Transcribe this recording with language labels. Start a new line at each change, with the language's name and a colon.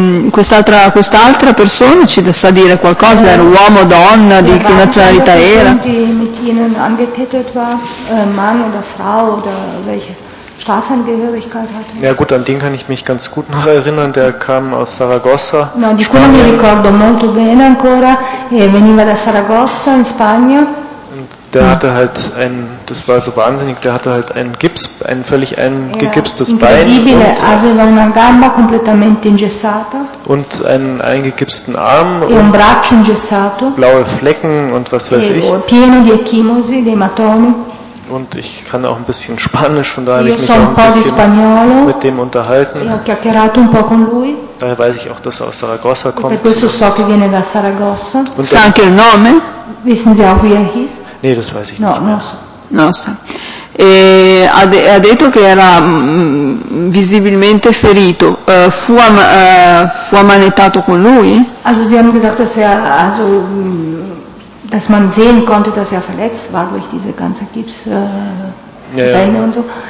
Italian: Quest'altra persona ci sa dire qualcosa? Era uomo, donna, di che nazionalità era?
German: Mit ihnen angekettet war, Mann oder Frau oder welche Staatsangehörigkeit hatte. Ja gut, an den kann ich mich ganz gut noch erinnern, der kam aus Saragossa.
Italian: No, di quello mi ricordo molto bene ancora, veniva da Saragossa in Spagna.
German: Der hatte halt ein, das war so wahnsinnig, der hatte halt ein Gips, ein völlig eingegipstes Bein.
Italian: Incredibile, aveva una gamba completamente ingessata.
German: Und einen eingegipsten Arm.
Italian: E un braccio ingessato.
German: Blaue Flecken und was weiß ich.
Italian: Pieno di ecchimosi, di ematomi.
German: Und ich kann auch ein bisschen Spanisch, von daher habe ich mich
Italian: un po'
German: ein bisschen mit dem unterhalten.
Italian: Ho chiacchierato un po' con lui.
German: Daher weiß ich auch, dass er aus Saragossa kommt.
Italian: E per questo so che viene da Saragossa. Und sa anche il nome?
German: Wissen Sie auch, wie er hieß? Nee, das weiß ich nicht.
Italian: No, non so. e ha detto che era visibilmente ferito. Fu ammanettato con lui?
German: Also sie haben gesagt, dass er also dass man sehen konnte, dass er verletzt war durch diese ganze Gips Beine und so.